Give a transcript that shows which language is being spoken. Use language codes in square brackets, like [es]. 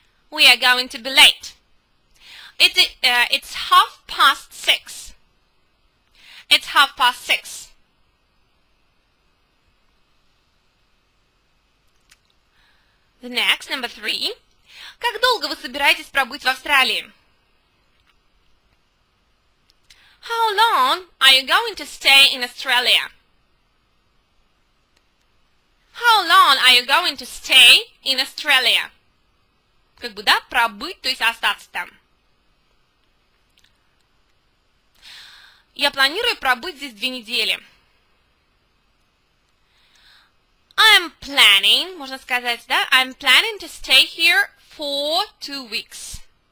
[en] We are going to be late. It's half past six. It's half past six. The next, number three. [ru] Как долго вы собираетесь пробыть в Австралии? [en] How long are you going to stay in Australia? How long are you going to stay in Australia? [ru] Как бы, да, пробыть, то есть остаться там. Я планирую пробыть здесь 2 недели. [en] I'm planning, [ru] можно сказать, да, [en] I'm planning to stay here for 2 weeks.